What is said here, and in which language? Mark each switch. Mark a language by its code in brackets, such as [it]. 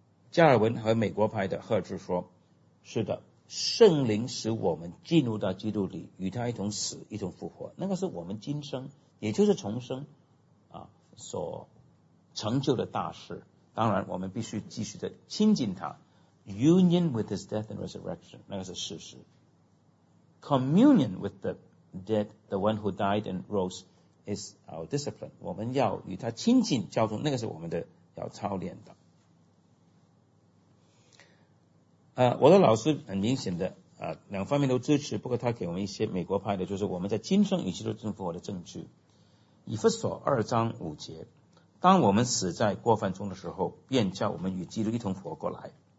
[zh] 加尔文和美国派的赫兹说，是的，圣灵使我们进入到基督里，与他一同死，一同复活，那个是我们今生也就是重生啊所成就的大事。当然我们必须继续的亲近他， [en] Union with his death and resurrection， [zh] 那个是事实。 [en] Communion with the dead, the one who died and roseis our discipline， [zh] 我们要与他亲近交通，那个是我们的要操练的。我的老师很明显的两方面都支持，不过他给我们一些美国派的，就是我们在今生与基督复活的证据。以弗所二章五节，当我们死在过犯中的时候，便叫我们与基督一同活过来。